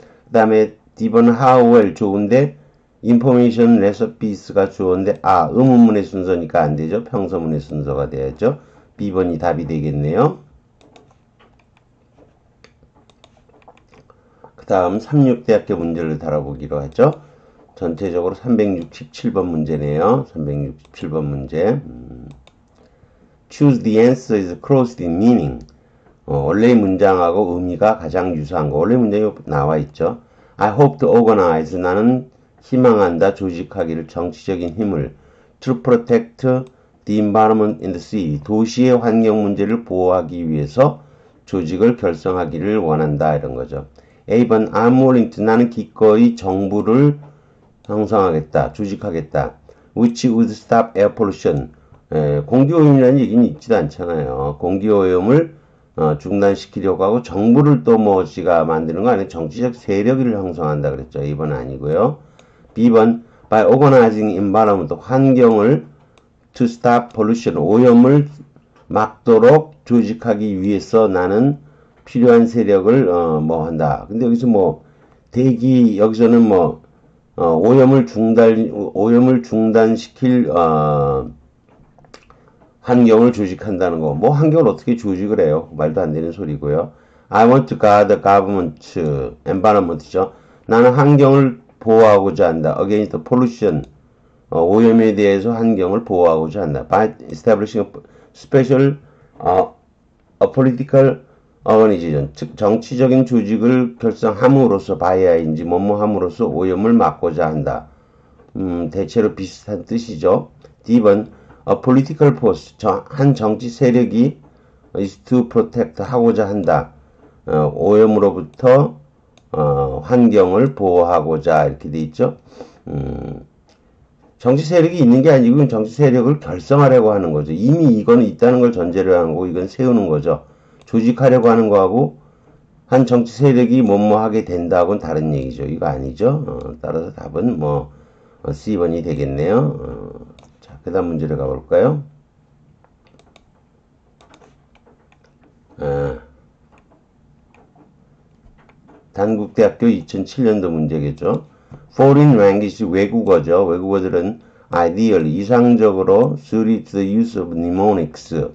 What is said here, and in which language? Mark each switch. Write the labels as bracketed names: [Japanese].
[Korean] 그 다음에 D번은 [English] how well [Korean] 좋은데, Information, recipes가 주어인데, 의문문의 순서니까 안 되죠. 평서문의 순서가 돼야죠. B번이 답이 되겠네요. 그 다음, 36대학교 문제를 다뤄보기로 하죠. 전체적으로 367번 문제네요. 367번 문제. [English] Choose the answer is close in meaning. [Korean] 원래의 문장하고 의미가 가장 유사한 거. 원래 문장이 나와 있죠. [English] I hope to organize. [Korean] 나는 희망한다, 조직하기를, 정치적인 힘을. [English] To protect the environment in the city. [Korean] 도시의 환경 문제를 보호하기 위해서 조직을 결성하기를 원한다. 이런 거죠. A번, [English] I'm willing to. [Korean] 나는 기꺼이 정부를 형성하겠다, 조직하겠다. [English] Which would stop air pollution. [Korean] 공기오염이라는 얘기는 있지도 않잖아요. 공기오염을 중단시키려고 하고 정부를 또 뭐지가 만드는 거 아니에요? 정치적 세력을 형성한다 그랬죠. A번 아니고요. B번, [English] by organizing environment, [Korean] 환경을 [English] to stop pollution, [Korean] 오염을 막도록 조직하기 위해서 나는 필요한 세력을, 뭐 한다. 근데 여기서 뭐, 여기서는 뭐, 오염을 중단시킬, 환경을 조직한다는 거. 뭐 환경을 어떻게 조직을 해요? 말도 안 되는 소리고요. [English] I want to guard the government, environment죠. [Korean] 나는 환경을 보호하고자 한다. [English] Against the pollution. [Korean] 오염에 대해서 환경을 보호하고자 한다. [English] By establishing a special, a political organization. [Korean] 즉, 정치적인 조직을 결성함으로써, by인지, 뭐뭐함으로써 오염을 막고자 한다. 대체로 비슷한 뜻이죠. D번, [English] a political force. [Korean] 한 정치 세력이 [English] is to protect [Korean] 하고자 한다. 오염으로부터 환경을 보호하고자, 이렇게 돼 있죠. 정치 세력이 있는 게 아니고 정치 세력을 결성하려고 하는 거죠. 이미 이거는 있다는 걸 전제로 하고 이건 세우는 거죠. 조직하려고 하는 거하고 한 정치 세력이 뭐뭐하게 된다고는 다른 얘기죠. 이거 아니죠. 따라서 답은 뭐 C번이 되겠네요. 자, 그 다음 문제를 가볼까요? 단국대학교 2007년도 문제겠죠. Foreign language, 외국어죠. 외국어들은 ideally, 이상적으로 [English] suited to the use of mnemonics.